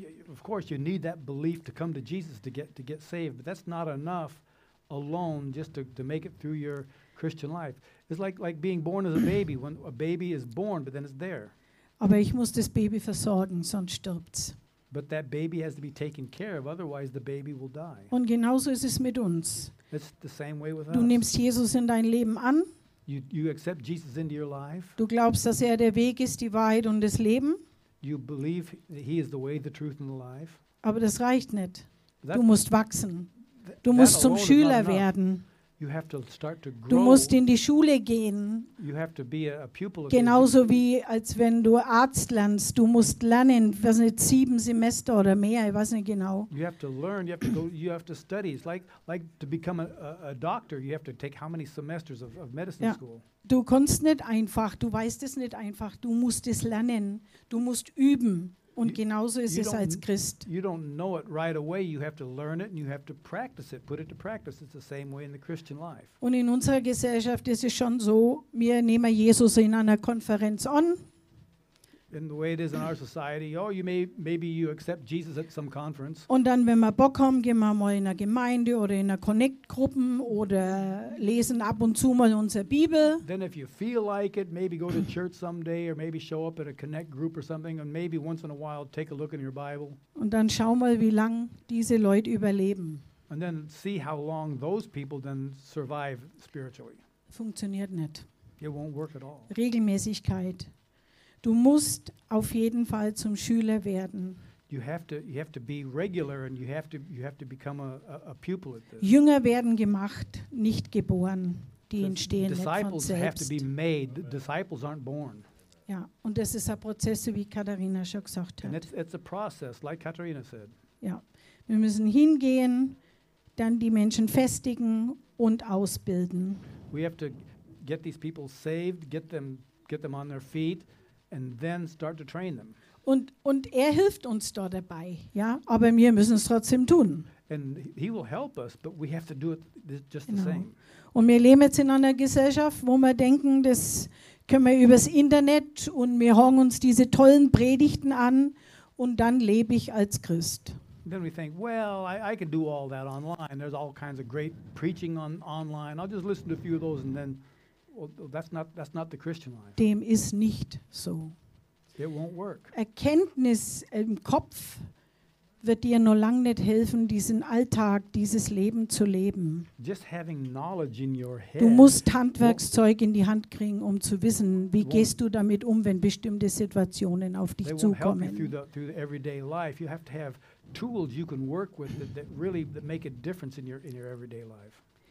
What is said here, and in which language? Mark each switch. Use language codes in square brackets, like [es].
[en] Of course, you need that belief to come to Jesus to get saved. But that's not enough alone just to make it through your Christian life. It's like being born as a baby. When a baby is born, but then it's there. [de] Aber ich muss das Baby versorgen, sonst stirbt's. [en] But that baby has to be taken care of, otherwise the baby will die. [de] Und genauso ist es mit uns. [en] It's the same way with [de] du [en] us. [de] Du nimmst Jesus in dein Leben an. [en] You accept Jesus into your life. [de] Du glaubst, dass er der Weg ist, die Wahrheit und das Leben. [en] You believe that he is the way, the truth, and the life. [de] Aber das reicht nicht. That du musst wachsen. Du musst zum Schüler werden. [en] You have to start to grow. [de] Du musst in die Schule gehen. [en] You have to be a pupil. [de] Genauso wie als wenn du Arzt lernst. Du musst lernen, was nicht 7 Semester oder mehr, ich weiß nicht genau. [en] You have to learn, you have to go, you have to study. It's like to become a doctor, you have to take how many semesters of medicine [de] ja. [en] School. [de] Du kannst nicht einfach, du weißt es nicht einfach, du musst es lernen, du musst üben. Und genauso ist es als Christ. [en] You don't know it right away. You have to learn it and you have to practice it. Put it to practice. It's the same way in the Christian life. [de] Und in unserer Gesellschaft ist es schon so, wir nehmen Jesus in einer Konferenz an. [en] in the way it is in our society. Oh, you maybe you accept Jesus at some conference. [de] Und dann, wenn wir Bock haben, gehen wir mal in eine Gemeinde oder in eine Connect-Gruppen oder lesen ab und zu mal unsere Bibel. [en] Then if you feel like it, maybe go to church someday or maybe show up at a Connect group or something and maybe once in a while take a look in your Bible. [de] Und dann schau mal, wie lang diese Leute überleben. [en] And then see how long those people then survive spiritually. [de] Funktioniert nicht. [en] It won't work at all. [de] Regelmäßigkeit. Du musst auf jeden Fall zum Schüler werden. [en] You have to be regular and you have to become a pupil at this. [de] Jünger werden gemacht, nicht geboren. Die entstehen nicht von selbst. [en] Disciples have to be made. The disciples aren't born. [de] Ja, und das ist ein Prozess, wie Katharina schon gesagt hat. [en] And it's a process, like Katharina said. [de] Ja, wir müssen hingehen, dann die Menschen festigen und ausbilden. [en] We have to get these people saved, get them on their feet, and then start to train them. [de] Und er hilft uns da dabei, ja, aber wir müssen es trotzdem tun. [en] And he will help us, but we have to do it just [de] genau. [en] The same. [de] Und wir leben jetzt in einer Gesellschaft, wo wir denken, das können wir übers Internet und wir hauen uns diese tollen Predigten an und dann lebe ich als Christ. [en] Then we think, well, I can do all that online. There's all kinds of great preaching online. I'll just listen to a few of those and then that's not the Christian life. [de] Dem ist nicht so. [en] It won't work. [de] Erkenntnis im Kopf wird dir noch lange nicht helfen, diesen Alltag, dieses Leben zu leben. [en] Just having knowledge in your head. [de] Du musst Handwerkszeug in die Hand kriegen, um zu wissen, wie gehst du damit um, wenn bestimmte Situationen auf dich zukommen. [en] Through the everyday life. You have to have tools you can work with that really make a difference in your everyday life.